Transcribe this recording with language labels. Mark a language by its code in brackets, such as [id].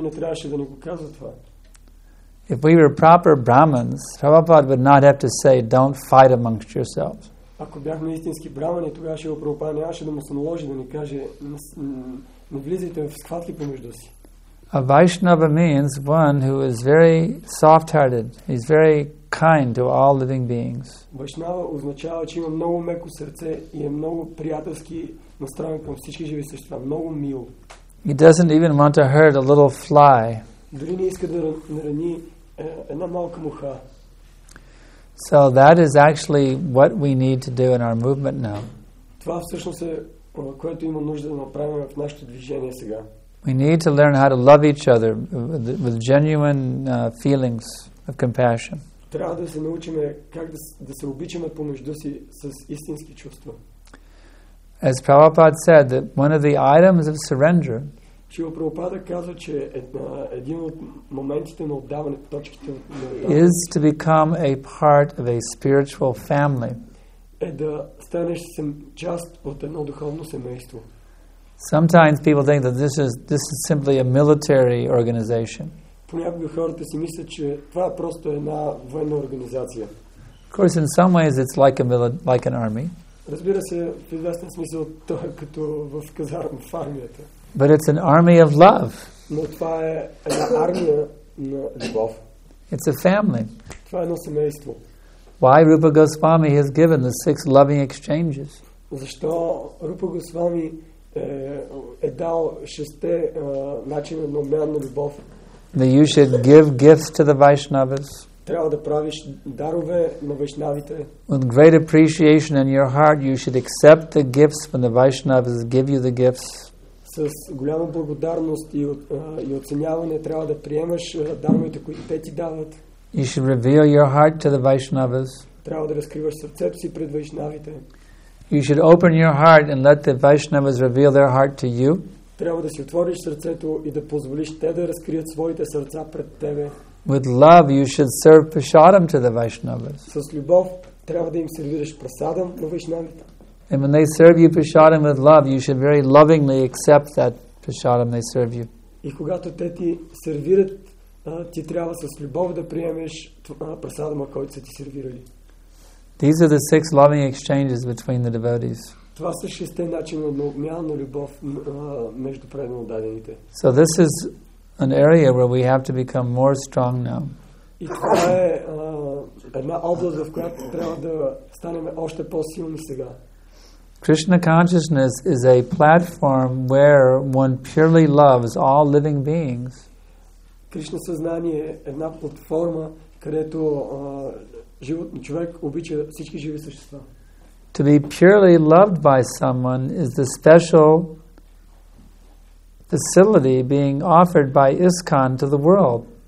[en] If we were proper Brahmins, Prabhupada would not have to say, don't fight amongst yourselves. [bg] Ако бяхме истински брамани, тогава Шрила Прабхупада нямаше да му се наложи да ни каже не влизайте в схватки помежду си. [en] A Vaishnava means one who is very soft-hearted. He's very kind to all living beings. [bg] Vaishnava означава, че има много меко сърце и е много приятелски настроен към всички живи същества. Много мил. [en] He doesn't even want to hurt a little fly. [bg] Дори не иска да нарани една малка муха. [en] So that is actually what we need to do in our movement now. [bg] Това всъщност е което има нужда да направим в нашето движение сега. [en] We need to learn how to love each other with genuine feelings of compassion. [bg] Трябва да се научим как да се обичаме помежду си с истински чувства. [en] As Prabhupada said, that one of the items of surrender. [bg] Шрила Прабхупада казва, че един от моментите на отдаване, точките на отдаване, [en] is to become a part of a spiritual family. [bg] Е да станеш част от едно духовно семейство. [en] Sometimes people think that this is simply a military organization. [bg] Понякога хората си мислят, че това е просто една военна организация. [en] Of course, in some ways it's like an army. [bg] Разбира се, в известен смисъл това е като в казарма, в армията. [en] But it's an army of love. [bg] Но това е една армия на любов. [en] It's a family. [bg] Това е едно семейство. [en] Why Rupa Goswami has given the six loving exchanges? [bg] Защо Рупа Госвами е дал шесте начина на обмен на любов? [en] That you should give gifts to the Vaishnavas. [bg] Трябва да правиш дарове на вайшнавите. [en] With great appreciation in your heart, you should accept the gifts when the Vaishnavas give you the gifts. [bg] С голяма благодарност и оценяване трябва да приемаш даровете, които те ти дават. [en] You should reveal your heart to the Vaishnavas. [bg] Трябва да разкриваш сърцето си пред вайшнавите. [en] You should open your heart and let the Vaishnavas reveal their heart to you. [bg] Трябва да си отвориш сърцето и да позволиш те да разкрият своите сърца пред тебе. [en] With love you should serve prasadam to the Vaishnavas. [bg] С любов трябва да им сервираш прасадам на вайшнавите. [en] And when they serve you prasadam with love, you should very lovingly accept that prasadam they serve you. [bg] И когато те ти сервират, ти трябва с любов да приемеш прасадама, който са ти сервирали. [en] These are the six loving exchanges between the devotees. [bg] Това са шестте начина на обмяна любов между преданно дадените. [en] So this is an area where we have to become more strong now. [bg] И това е една област, в която трябва да станем още по-силни сега. [en] Krishna consciousness is a platform where one purely loves all living beings. [bg] Krishna съзнание е една платформа, където човек обича всички живи същества. [en] To be purely loved by someone is the special facility being offered by ISKCON to the world.